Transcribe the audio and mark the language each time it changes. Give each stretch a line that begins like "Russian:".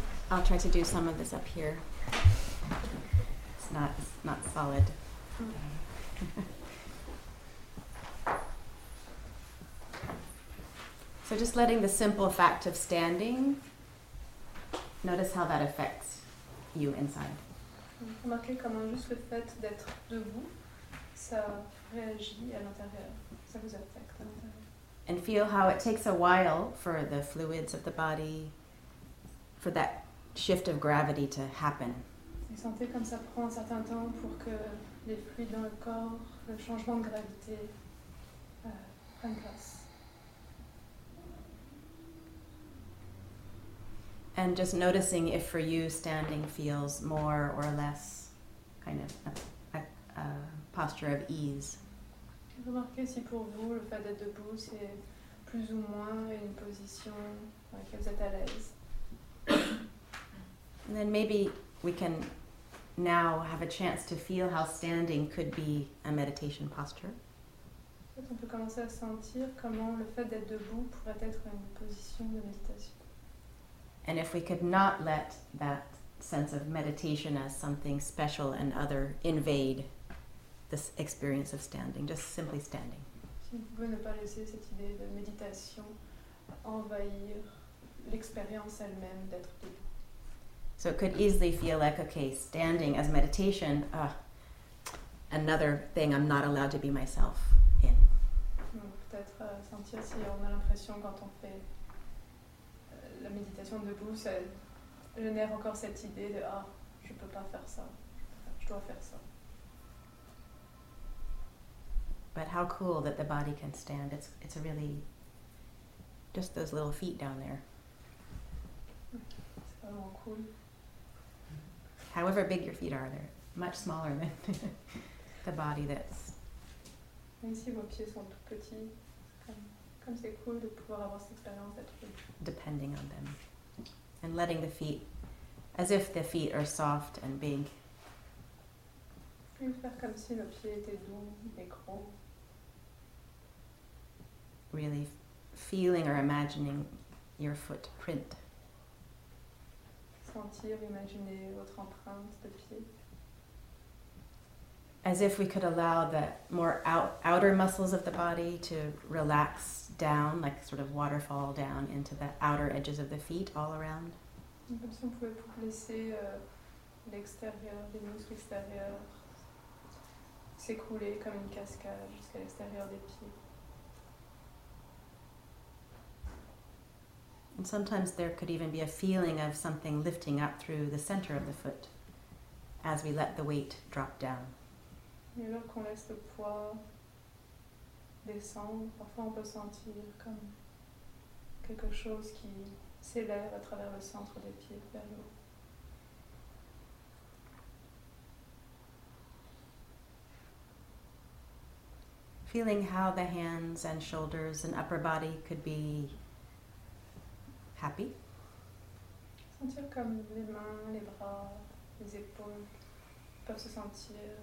English: I'll try to do some of this up here. It's not solid. So just letting the simple fact of standing, notice how that affects you inside.
French: Remarquez comment juste le fait d'être debout, ça réagit à l'intérieur, ça vous affecte à l'intérieur.
English: And feel how it takes a while for the fluids of the body, for that shift of gravity to happen.
French: Et sentez comme ça prend un certain temps pour que les fluides dans le corps, le changement de gravité, prennent place.
English: And just noticing if for you standing feels more or less kind of a posture of ease.
French: Remarquez si pour vous le fait d'être debout c'est plus ou moins une position dans laquelle vous êtes à l'aise.
English: And then maybe we can now have a chance to feel how standing could be a meditation posture.
French: On peut commencer à sentir comment le fait d'être debout pourrait être une position de méditation.
English: And if we could not let that sense of meditation as something special and other invade this experience of standing, just simply standing.
French: Si vous pouvez ne pas laisser cette idée de méditation envahir l'expérience elle-même d'être debout.
English: So it could easily feel like, okay, standing as meditation, another thing I'm not allowed to be myself in.
French: Donc peut-être sentir si on a l'impression quand on fait la méditation debout, ça génère encore cette idée de, je peux pas faire ça, je dois faire ça.
English: But how cool that the body can stand. It's really just those little feet down there.
French: C'est vraiment cool.
English: However big your feet are, they're much smaller than the body that's.
French: Même si vos pieds sont tout petits, comme c'est cool de pouvoir avoir cette expérience d'être.
English: Depending on them, and letting the feet, as if the feet are soft and big.
French: Et faire comme si nos pieds étaient doux et gros.
English: Really feeling or imagining your footprint.
French: Sentir, imaginer votre empreinte de pied.
English: As if we could allow the more outer muscles of the body to relax down, like sort of waterfall down into the outer edges of the feet all around.
French: Comme si on pouvait laisser l'extérieur des muscles extérieurs s'écouler comme une cascade jusqu'à l'extérieur des pieds.
English: And sometimes there could even be a feeling of something lifting up through the center of the foot as we let the weight drop down.
French: Et alors qu'on laisse le poids descendre, parfois on peut sentir comme quelque chose qui s'élève à travers le centre des pieds vers le haut.
English: Feeling how the hands and shoulders and upper body could be happy.
French: Sentir comme les mains, les bras, les épaules peuvent se sentir.